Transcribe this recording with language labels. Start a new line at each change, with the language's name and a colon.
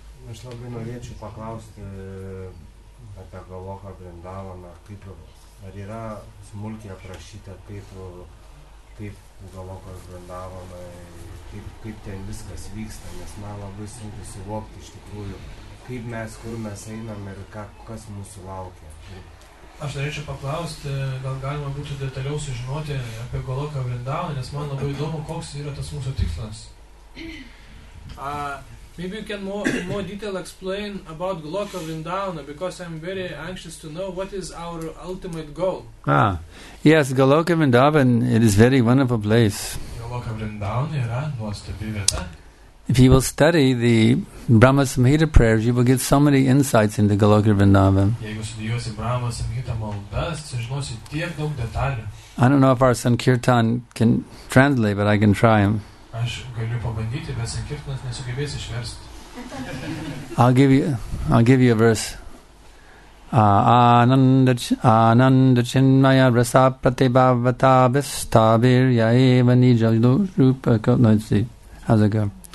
Lithuanian: Aš labai norėčiau paklausti apie Goloką Vrindavaną, kaip ar yra smulkiai aprašyta, kaip Golokas Vrindavaną, kaip ten viskas vyksta, nes man labai sunku suvokti iš tikrųjų, kaip mes, kur mes einam ir kas mūsų laukia. Aš norėčiau paklausti, gal galima būtų detaliau sužinoti apie Goloką Vrindavaną, nes man labai įdomu, koks yra tas mūsų tikslas.
English: Maybe you can more detail explain about Goloka Vrindavana, because I'm very anxious to know what is our ultimate goal. Ah, yes, Goloka Vrindavan, it is a very wonderful place.
Lithuanian: Goloka Vrindavan yra nuostabi vieta.
English: If you will study the Brahma Samhita prayers, you will get so many insights into Goloka Vrindavan.
Lithuanian: Jeigu studijuosi Brahma Samhita maldas, sužinosi tiek daug detalių.
English: I don't know if our Sankirtan can translate, but I can try him.
Lithuanian: Aš galiu pabandyti, bet Sankirtanas nesugebės išversti.
English: I'll give you a verse.
Sanskrit: Ananda chinmaya rasa pratibhavata vistabir yaeva nija rupa ka.
English: Let's see. How's it go?